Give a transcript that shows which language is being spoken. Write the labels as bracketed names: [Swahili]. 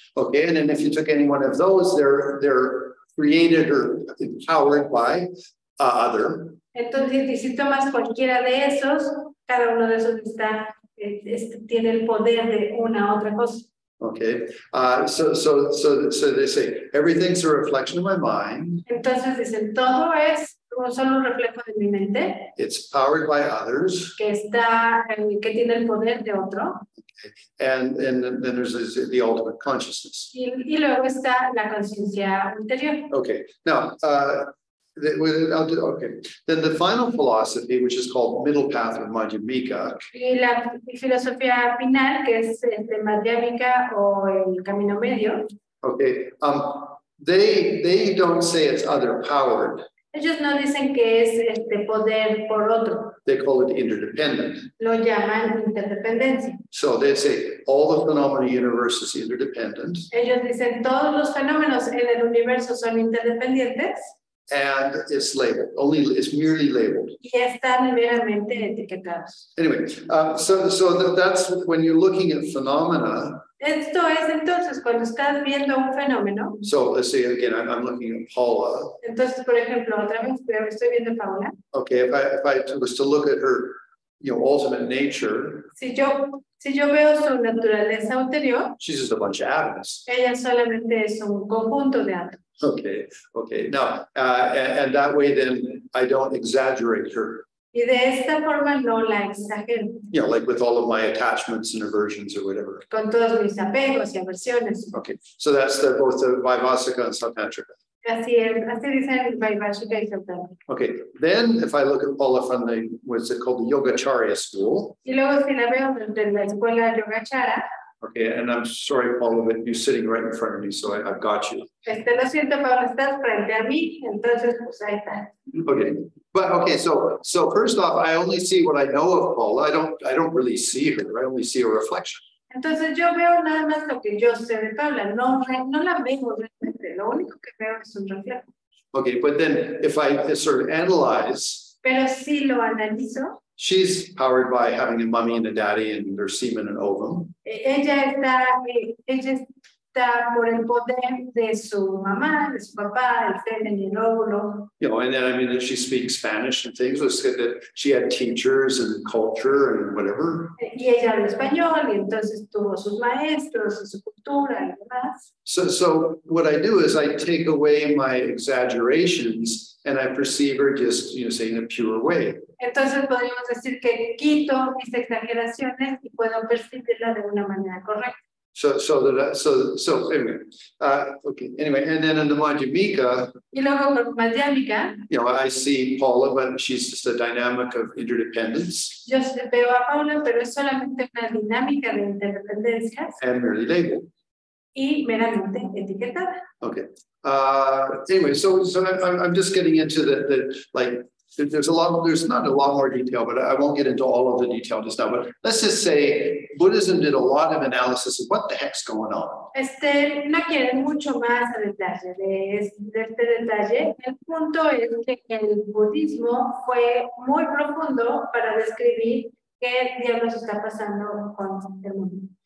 [English] Okay, and then if you took any one of those, they're created or empowered by other. [Spanish] Entonces, si tomas cualquiera de esos, cada uno de esos tiene el poder de una otra cosa. [English] Okay. So they say everything's a reflection of my mind. [Spanish] Entonces dicen todo es solo un reflejo de mi mente. [English] It's powered by others. [Spanish] Que tiene el poder de otro. [English] And then there's the ultimate consciousness. [Spanish] Y luego está la conciencia interior. [English] Okay. Now, then the final philosophy, which is called Middle Path of Madhyamika. [Spanish] Y la filosofía final, que es de Madhyamika o el camino medio. [English] Okay. They don't say it's other powered. [Spanish] Ellos no dicen que es poder por otro. [English] They call it interdependent. [Spanish] Lo llaman interdependencia. [English] So they say all the phenomena universe is interdependent. [Spanish] Ellos dicen todos los fenómenos en el universo son interdependientes. [English] And it's labeled. Only it's merely labeled. [Spanish] Y están meramente etiquetados. [English] Anyway, that's when you're looking at phenomena. [Spanish] Esto es entonces cuando estás viendo un fenómeno. [English] So let's say again, I'm looking at Paula. [Spanish] Entonces, por ejemplo, otra vez estoy viendo a Paula. [English] Okay, if I was to look at her, you know, ultimate nature. [Spanish] Si yo veo su naturaleza anterior. [English] She's just a bunch of atoms. [Spanish] Ella solamente es un conjunto de átomos. [English] Okay. Now, and that way, then I don't exaggerate her. [Spanish] Y de esta forma no la exagero. [English] You know, like with all of my attachments and aversions or whatever. [Spanish] Con todos mis apegos y aversiones. [English] Okay, so that's both the Vaivasika and Satantrika. [Spanish] Así es, así dicen Vaivasika y Satantrika. [English] Okay, then if I look at Paula from the, what's it called, the Yogacharya school. [Spanish] Y luego si la veo desde la escuela Yogacharya. [English] Okay, and I'm sorry, Paula, but you're sitting right in front of me, so I've got you. [Spanish] Lo siento, Paula, estás frente a mí, entonces, pues ahí está. [English] Okay, but okay, so first off, I only see what I know of Paula. I don't really see her. I only see a reflection. [Spanish] Entonces, yo veo nada más lo que yo sé de Paula. No la veo realmente. Lo único que veo es un reflejo. [English] Okay, but then if I sort of analyze. [Spanish] Pero si lo analizo. [English] She's powered by having a mummy and a daddy and their semen and ovum. [Spanish] Ella está, ella por el poder de su mamá, de su papá, el semen y el óvulo. [English] You know, and then, I mean, if she speaks Spanish and things, let's say that she had teachers and culture and whatever. [Spanish] Y ella habla español, y entonces tuvo sus maestros, su cultura y demás. [English] So what I do is I take away my exaggerations and I perceive her just, you know, saying in a pure way. [Spanish] Entonces podríamos decir que quito mis exageraciones y puedo percibirla de una manera correcta. [English] So anyway, and then in the Madhyamika, you know, I see Paula, but she's just a dynamic of interdependence. [Spanish] Yo veo a Paula, pero es solamente una dinámica de interdependencias. [English] And merely labeled. [Spanish] Y meramente etiquetada. [English] Okay. Anyway, I'm just getting into the there's not a lot more detail, but I won't get into all of the detail just now. But let's just say Buddhism did a lot of analysis of what the heck's going on. [Spanish] No quiere mucho más a detalle de este detalle. El punto es que el budismo fue muy profundo para describir qué diablos está pasando con el mundo.